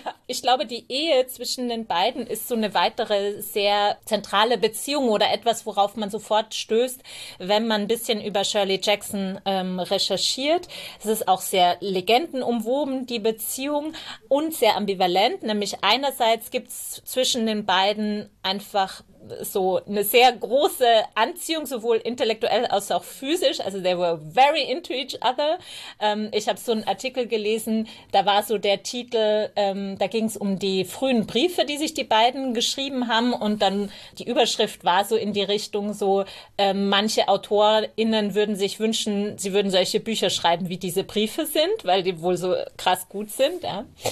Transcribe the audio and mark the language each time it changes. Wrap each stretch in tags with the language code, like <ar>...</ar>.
<de>Ja, ich glaube, die Ehe zwischen den beiden ist so eine weitere sehr zentrale Beziehung oder etwas, worauf man sofort stößt, wenn man ein bisschen über Shirley Jackson recherchiert. Es ist auch sehr legendenumwoben, die Beziehung, und sehr ambivalent. Nämlich einerseits gibt es zwischen den beiden einfach so eine sehr große Anziehung, sowohl intellektuell als auch physisch.</de> <en>Also, they were very into each other.</en> <de>Ich habe so einen Artikel gelesen, da war so der Titel, da ging es um die frühen Briefe, die sich die beiden geschrieben haben. Und dann die Überschrift war so in die Richtung, so manche AutorInnen würden sich wünschen, sie würden solche Bücher schreiben, wie diese Briefe sind, weil die wohl so krass gut sind. Ja.</de>